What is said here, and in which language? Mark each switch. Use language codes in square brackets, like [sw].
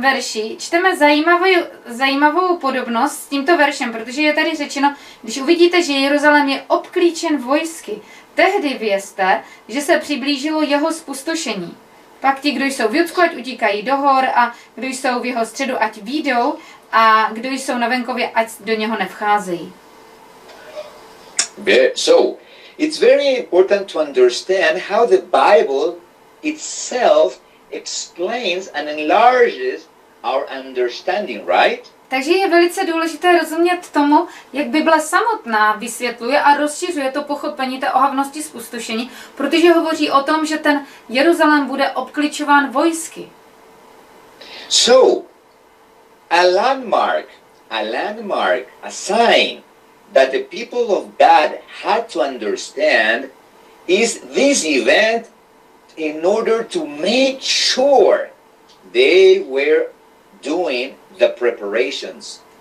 [cs] verši čteme zajímavou podobnost s tímto veršem, protože je tady řečeno, když uvidíte, že Jeruzalém je obklíčen vojsky, tehdy vězte, že se přiblížilo jeho spustošení. Pak ti, kdo jsou v Judsku, ať utíkají do hor, a kdo jsou v jeho středu, ať výjdou, a kdo jsou na venkově, ať do něho nevcházejí. [en] So, it's very important to understand how the Bible itself explains and enlarges our understanding, right? [cs] Takže je velice důležité rozumět tomu, jak Bible samotná vysvětluje a rozšiřuje to pochopení té ohavnosti zpustošení, protože hovoří o tom, že ten Jeruzalém bude obklíčován vojsky. [en] So, a landmark, a sign that the people of God had to understand is this event in order to make sure they were doing the preparations.